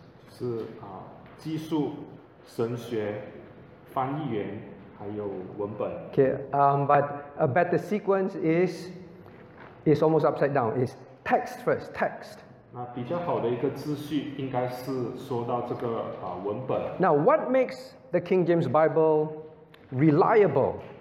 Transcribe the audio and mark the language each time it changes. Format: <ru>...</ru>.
<zh>是, 技术, 神学, 翻译员, 还有文本.</zh> <en>Okay, but a better sequence is almost upside down. It's text first, text.</en> <zh>那比较好的一个资讯应该是说到这个,文本.</zh> <en>Now, what makes the King James Bible reliable?</en>